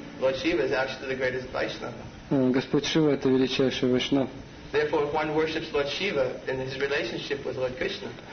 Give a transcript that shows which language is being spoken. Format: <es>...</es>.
<en>Lord Shiva is actually the greatest Vaishnava.</en> <ru>Господь Шива это величайший Вайшнав.</ru> <en>Therefore, if one worships Lord Shiva in his relationship with Lord Krishna.</en>